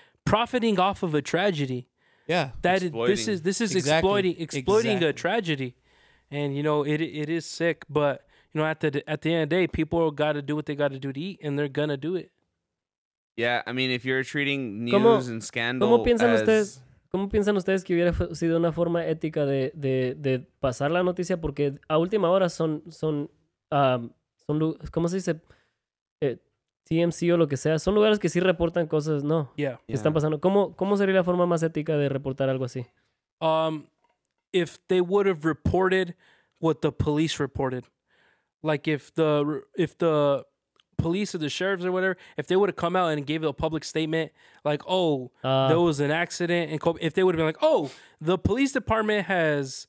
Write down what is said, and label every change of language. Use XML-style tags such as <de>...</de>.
<en>Profiting off of a tragedy. Yeah. This is exploiting a tragedy. And you know, it is sick, but you know, at the end of the day, people got to do what they got to do to eat, and they're going to do it. Yeah, I mean, if you're treating news and scandal</en> <es>¿cómo piensan</es> <en>as...</en> <es>ustedes, ¿cómo piensan ustedes que hubiera sido una forma ética de pasar la noticia? Porque a última hora son ¿cómo se dice? TMZ o lo que sea. Son lugares que sí reportan cosas, ¿no?</es> <en>Yeah.</en> <es>Que están pasando. ¿Cómo sería la forma más ética de reportar algo así?</es> <en>If they would have reported what the police reported. Like if the police or the sheriffs or whatever, if they would have come out and gave a public statement like, oh, there was an accident, and if they would have been like, oh, the police department has</en>